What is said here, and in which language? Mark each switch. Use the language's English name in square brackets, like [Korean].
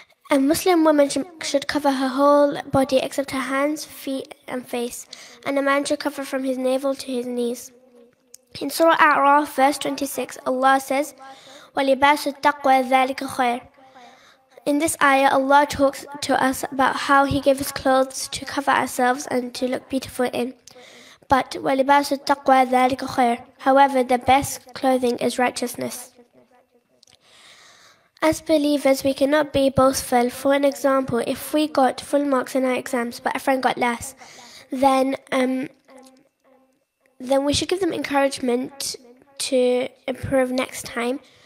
[English] A Muslim woman should cover her whole body except her hands, feet, and face, and a man should cover from his navel to his knees. In Surah A'raf, verse 26, Allah says, [Arabic] وَلِبَاسُ التَّقْوَى ذَلِكَ خَيْرٌ. [English] In this ayah, Allah talks to us about how He gave us clothes to cover ourselves and to look beautiful in. [Arabic] But وَلِبَاسُ التَّقْوَى ذَلِكَ خَيْرٌ. [English] However, the best clothing is righteousness. As believers, we cannot be boastful. For an example, if we got full marks in our exams but a friend got less, then we should give them encouragement to improve next time.